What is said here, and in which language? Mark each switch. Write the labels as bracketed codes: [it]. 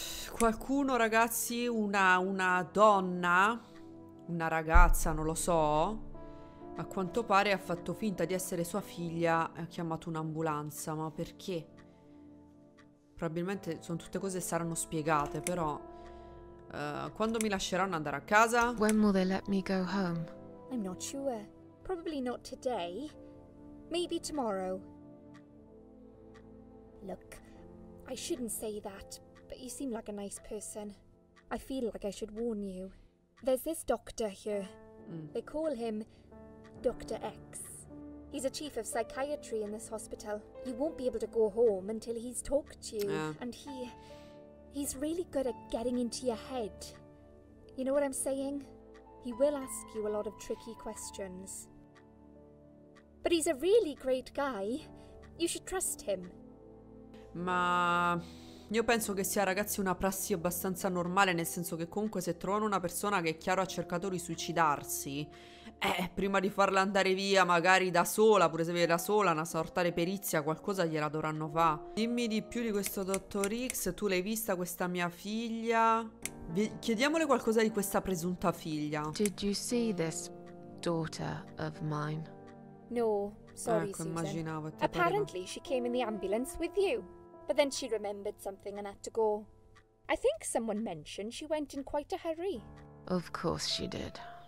[it] Qualcuno, ragazzi, una donna, una ragazza, non lo so, a quanto pare ha fatto finta di essere sua figlia e ha chiamato un'ambulanza. Ma perché? Probabilmente sono tutte cose che saranno spiegate, però... quando mi lasceranno andare a casa? [en] When will they let me go home? I'm not sure. Probably not today. Maybe tomorrow. Look, I shouldn't say that. But you seem like a nice person. I feel like I should warn you. There's this doctor here. They call him Dr. X. He's a chief of psychiatry in this hospital. You won't be able to go home until he's talked to you. And he's really good at getting into your head. You know what I'm saying? He will ask you a lot of tricky questions. But he's a really great guy. You should trust him. [it] Ma... io penso che sia, ragazzi, una prassi abbastanza normale, nel senso che comunque se trovano una persona che è chiaro ha cercato di suicidarsi, prima di farla andare via, magari da sola, pure se viene da sola, una sorta di perizia, qualcosa gliela dovranno fare. Dimmi di più di questo dottor X, tu l'hai vista questa mia figlia? Chiediamole qualcosa di questa presunta figlia. [en] Did you see this daughter of mine? No, sorry, ecco, [it] immaginavo, [en] Susan. Apparently she came in the ambulance with you. But then she remembered something and had to go. I think someone mentioned she went in quite a hurry. Of course she did.